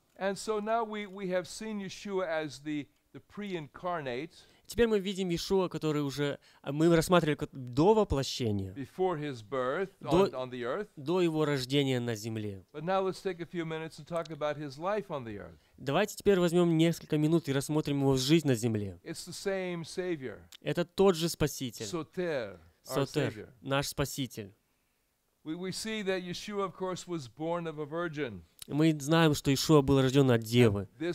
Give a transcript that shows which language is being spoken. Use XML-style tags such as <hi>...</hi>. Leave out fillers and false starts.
<en>And so now we have seen Yeshua as the pre-incarnate.</en> <ru>Теперь мы видим Иешуа, который уже мы рассматривали до воплощения,</ru> <en>before his birth on the earth.</en> <ru>До его рождения на земле.</ru> <en>But now let's take a few minutes and talk about his life on the earth.</en> <ru>Давайте теперь возьмем несколько минут и рассмотрим его жизнь на земле.</ru> <en>It's the same Savior.</en> <ru>Это тот же Спаситель. Сотер, Сотер, наш Спаситель.</ru> <en>We see that Yeshua, of course, was born of a virgin.</en> <ru>Мы знаем, что Иешуа был рожден от Девы.</ru>